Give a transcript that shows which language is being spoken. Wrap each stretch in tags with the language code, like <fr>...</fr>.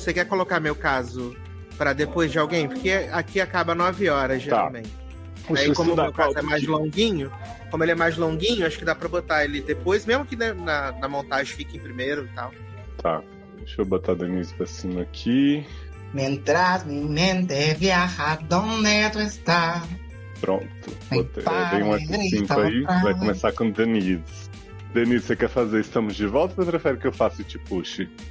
<pt>Você quer colocar meu caso pra depois de alguém? Porque aqui acaba 9 horas, geralmente. Tá. Aí, como o meu caso é mais longuinho, acho que dá pra botar ele depois, mesmo que na montagem fique em primeiro e tal. Tá. Deixa eu botar a Denise pra cima aqui.</pt> <es>Mientras mi mente viaja, donde tu está.</es> <pt>Pronto. Dei um F5 aí. Vai começar com Denise. Denise, você quer fazer Estamos de Volta ou você prefere que eu faça e te puxe?</pt>